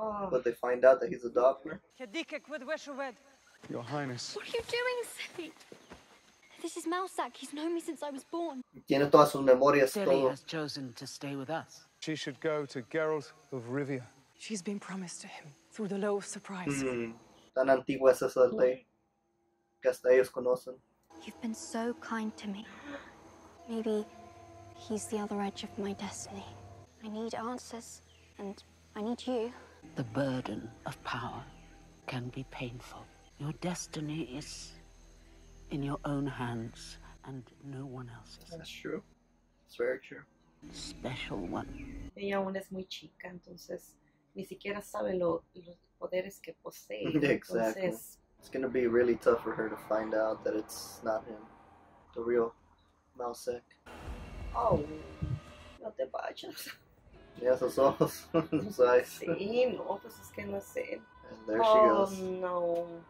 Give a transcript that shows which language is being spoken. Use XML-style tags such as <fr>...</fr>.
<en>But they find out that he's a Doppler. Your Highness. What are you doing, Sippy? This is Mousesack. He's known me since I was born.</en> <es>Tiene todas sus memorias, todo.</es> <en>Ciri has chosen to stay with us. She should go to Geralt of Rivia. She's been promised to him through the law of surprise. Mm-hmm.</en> <es>Tan antigua es esa ley que hasta ellos conocen.</es> <en>You've been so kind to me. Maybe he's the other edge of my destiny. I need answers, and I need you. The burden of power can be painful. Your destiny is in your own hands and no one else's. That's true. It's very true. Special one.</en> <es>Ella aún es muy chica, entonces ni siquiera sabe los poderes que posee.</es> <en>Exactly. It's going to be really tough for her to find out that it's not him. The real Mousesack.</en> <es>Oh, no te vayas. Yeah, esos ojos, esos eyes. Sí, no, pues es que no sé.</es> <en>And there she goes. Oh, no.</en>